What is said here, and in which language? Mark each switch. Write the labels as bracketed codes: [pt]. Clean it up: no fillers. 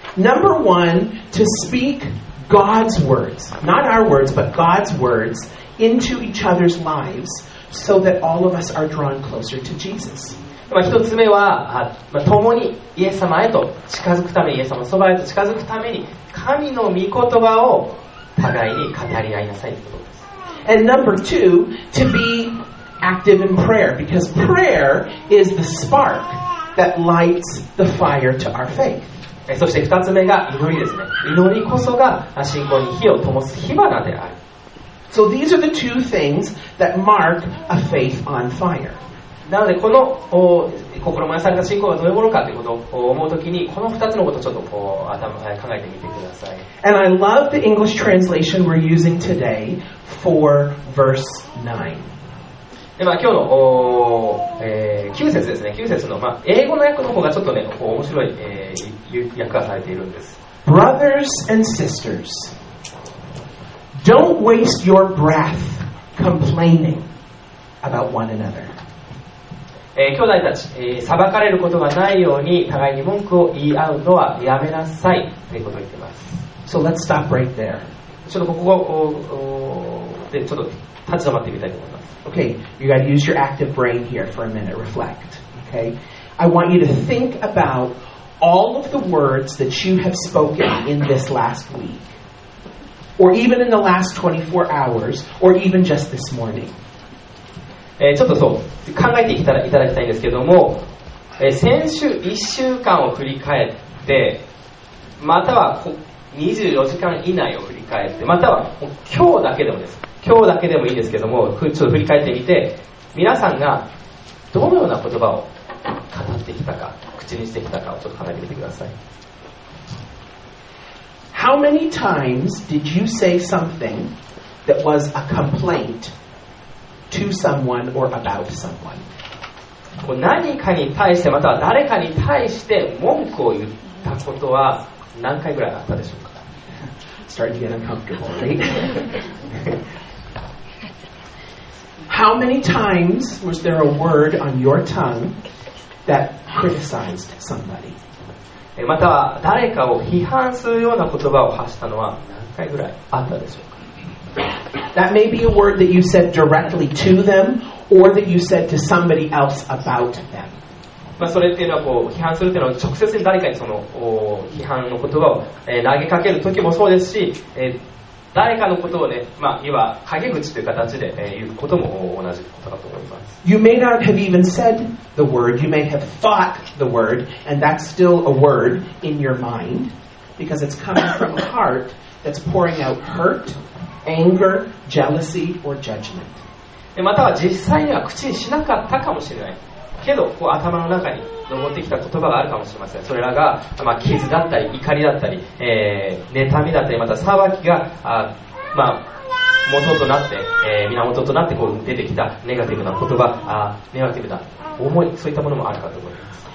[en] Number one, to speak God's words, not our words, but God's words into each other's lives so that all of us are drawn closer to Jesus. [ja] まあ、一つ目は、まあ、共にイエス様へと近づくために、イエス様のそばへと近づくために神の御言葉を互いに語り合いなさいということです。 [en] And number two, to be active in prayer, because prayer is the spark that lights the fire to our faith. [ja] そして二つ目が祈りですね。祈りこそが信仰に火を灯す火花である。 [en] So these are the two things that mark a faith on fire. [ja] なのでこの心燃やされた信仰がどういうものかということを思うときにこの2つのことをちょっとこう頭で考えてみてください。 [en] And I love the English translation we're using today for verse 9. [ja] で、まあ、今日の、9節ですね。9節の、まあ、英語の訳の方がちょっとねこう面白い、訳がされているんです。 [en] Brothers and sisters, don't waste your breath complaining about one another. [ja] 兄弟たち、裁かれることがないように互いに文句を言い合うのはやめなさいということを言っています。 [en] So let's stop right there. [ja] ちょっとここでちょっと立ち止まってみたいと思います。 [en] Okay, you gotta use your active brain here for a minute, reflect. Okay, I want you to think about all of the words that you have spoken in this last week, or even in the last 24 hours, or even just this morning. [ja] ちょっとそう考えていただきたいんですけども、先週1週間を振り返って、または24時間以内を振り返って、または今日だけでもです。今日だけでもいいんですけども、ちょっと振り返ってみて、皆さんがどのような言葉を語ってきたか、口にしてきたかをちょっと考えてみてください。 [en] How many times did you say something that was a complaint? To someone or about someone. [ja] 何かに対してまたは誰かに対して文句を言ったことは何回ぐらいあったでしょうか? [en] Starting to get uncomfortable, right? How many times was there a word on your tongue that criticized somebody? [ja] または誰かを批判するような言葉を発したのは何回ぐらいあったでしょうか。 [en] That may be a word that you said directly to them, or that you said to somebody else about them. [ja] まあ、それっていうのはこう批判するっていうのは直接に誰かにその批判の言葉を投げかける時もそうですし、誰かのことをね、まあ、いわば陰口という形で言うことも同じことだと思います。 [en] You may not have even said the word, you may have thought the word, and that's still a word in your mind, because it's coming from a heart that's pouring out hurt, anger, jealousy, or judgment. [ja] または実際には口にしなかったかもしれない。けどこう頭の中に上ってきた言葉があるかもしれません。それらが、まあ、傷だったり怒りだったり、妬みだったりまた裁きが、まあ、元となって、源となってこう出てきたネガティブな言葉、ネガティブな思い、そういったものもあるかと思います。